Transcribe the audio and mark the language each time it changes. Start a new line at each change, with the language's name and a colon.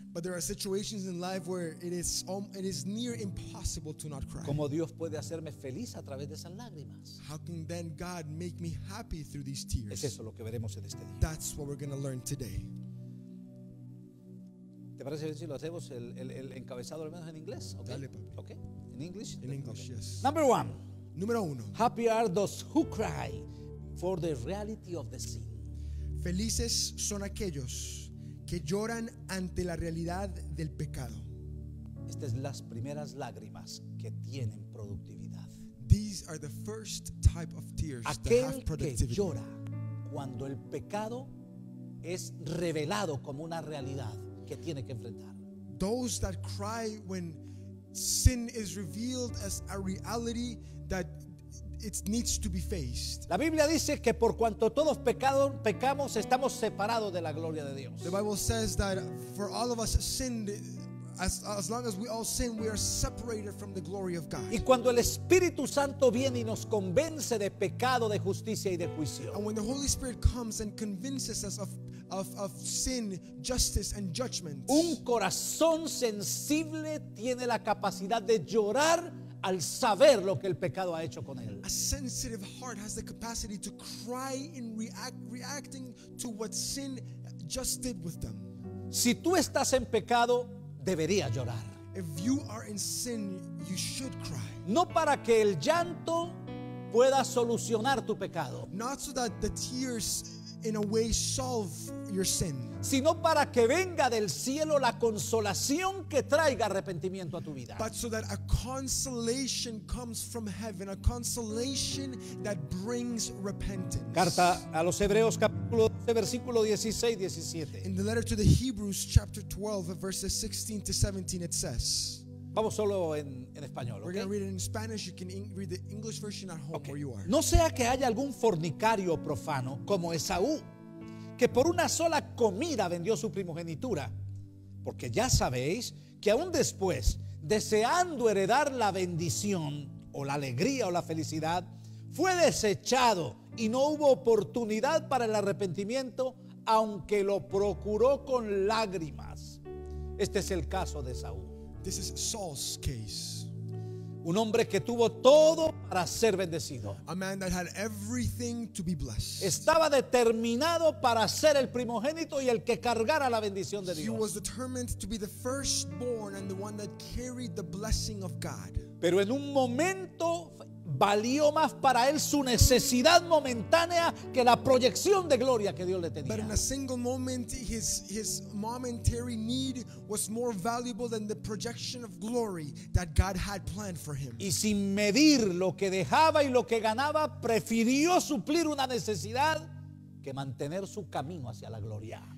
English: But there are situations in life where it is near impossible to not cry.
Spanish: ¿Cómo Dios puede hacerme feliz a través de esas lágrimas?
English: How can then God make me happy through these tears?
Spanish: Es eso lo que veremos en este día.
English: That's what we're going to learn today.
Spanish: ¿Te parece bien si lo hacemos el encabezado al menos en inglés?
English: Okay.
Spanish: Dale, papi.
English: Okay. In English? In English, okay. Yes. Number one.
Spanish: Número uno.
English: Happy are those who cry for the reality of the sin.
Spanish: Felices son aquellos que lloran ante la realidad del pecado. Estas son las primeras lágrimas que tienen productividad.
English: These are the first type of tears
Spanish: aquel
English: that have productivity.
Spanish: Aquel que llora cuando el pecado es revelado como una realidad que tiene que enfrentar.
English: Those that cry when sin is revealed as a reality that it needs to be faced.
Spanish: La Biblia dice que por cuanto todos pecamos, estamos separados de la gloria de Dios.
English: The Bible says that for all of us sinned, as long as we all sin, we are separated from the glory of God.
Spanish: Y cuando el Espíritu Santo viene y nos convence de pecado, de justicia y de juicio.
English: And when the Holy Spirit comes and convinces us of sin, justice and judgment.
Spanish: Un corazón sensible tiene la capacidad de llorar al saber lo que el pecado ha hecho con él.
English: A sensitive heart has the capacity to cry in reacting to what sin just did with them.
Spanish: Si tú estás en pecado, deberías llorar.
English: If you are in sin, you should cry.
Spanish: No para que el llanto pueda solucionar tu pecado.
English: Not so that the tears in a way solve your sin.
Spanish: Sino para que venga del cielo la consolación que traiga arrepentimiento a tu vida.
English: But so that a consolation comes from heaven, a consolation that brings repentance.
Spanish: Carta a los Hebreos capítulo 12 versículo 16 17.
English: In the letter to the Hebrews chapter 12 verses 16 to 17 it says.
Spanish: Vamos solo en español, okay?
English: We're going to read it in Spanish. You can read the English version at home, okay, where you are.
Spanish: No sea que haya algún fornicario profano como Esaú, que por una sola comida vendió su primogenitura, porque ya sabéis que aún después, deseando heredar la bendición o la alegría o la felicidad, fue desechado y no hubo oportunidad para el arrepentimiento aunque lo procuró con lágrimas. Este es el caso de Saúl.
English: This is Saul's case.
Spanish: Un hombre que tuvo todo para ser bendecido.
English: A man that had everything to be blessed.
Spanish: Estaba determinado para ser el primogénito y el que cargara la bendición de Dios.
English: He was determined to be the firstborn and the one that carried the blessing of God.
Spanish: Pero en un momento valió más para él su necesidad momentánea que la proyección de gloria que Dios le tenía.
English: But in a single moment, his momentary need was more valuable than the projection of glory that God had planned for him.
Spanish: Y sin medir lo que dejaba y lo que ganaba, prefirió suplir una necesidad que mantener su camino hacia la gloria.